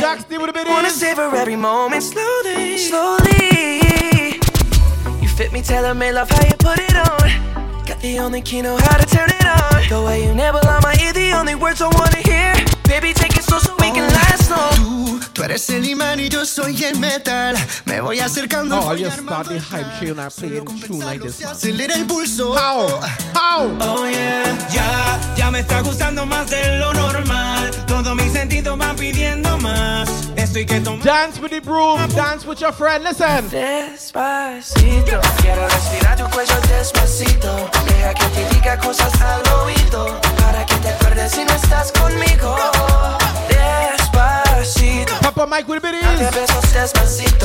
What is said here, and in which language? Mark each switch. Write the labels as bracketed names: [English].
[English] Jack Steve with a bit of this. Wanna savor every moment slowly. Slowly. You fit me, tailor made love how you put it on. Got the only key, know how to turn it on. The way you never lie, my ear, the only words I wanna hear. Baby, take it slow so we can last long. [Spanish] Tú eres el imán y yo soy el metal. Me voy acercando. [English] Oh, you start the hype chain. I play it true like this. [Spanish] Acelera el pulso. [English] How? How? Oh yeah. [Spanish] Ya me está gustando más de lo normal. Todo mi sentido va pidiendo más. Estoy que tomar. [English] Dance with the broom. Dance with your friend. Listen. [Spanish] Despacito. Quiero respirar tu cuello despacito. Deja que te diga cosas al oído. Para que te acuerdes si no estás conmigo. [English] Papa Mike with the biddies.